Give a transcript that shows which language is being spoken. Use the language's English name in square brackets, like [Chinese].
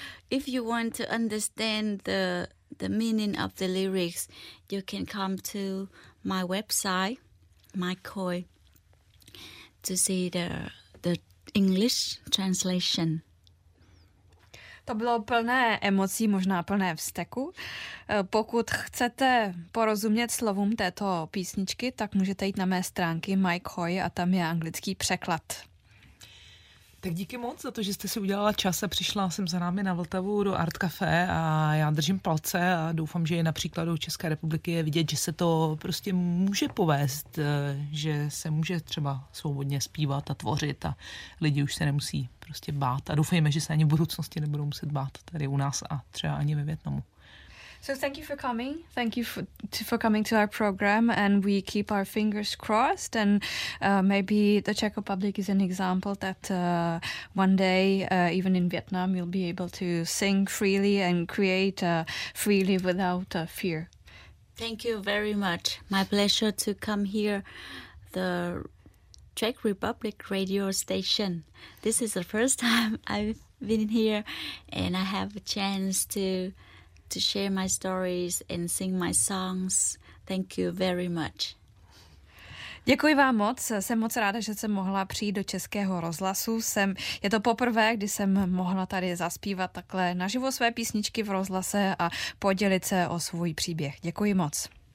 [English] If you want to understand the meaning of the lyrics, you can come to my website, MyKoi, to see the English translation. [Czech] To bylo plné emocí, možná plné vzteku. Pokud chcete porozumět slovům této písničky, tak můžete jít na mé stránky MyKoi a tam je anglický překlad. Tak díky moc za to, že jste si udělala čas a přišla jsem za námi na Vltavu do Art Café a já držím palce a doufám, že i na příkladu České republiky je vidět, že se to prostě může povést, že se může třeba svobodně zpívat a tvořit a lidi už se nemusí prostě bát a doufejme, že se ani v budoucnosti nebudou muset bát tady u nás a třeba ani ve Vietnamu. [English] So thank you for coming. Thank you for coming to our program, and we keep our fingers crossed. And maybe the Czech Republic is an example that one day, even in Vietnam, you'll be able to sing freely and create freely without fear. Thank you very much. My pleasure to come here, the Czech Republic radio station. This is the first time I've been here, and I have a chance to share my stories and sing my songs. Thank you very much. [Czech] Děkuji vám moc. Jsem moc ráda, že jsem mohla přijít do Českého rozhlasu. Je to poprvé, kdy jsem mohla tady zaspívat takhle naživo své písničky v rozhlase a podělit se o svůj příběh. Děkuji moc.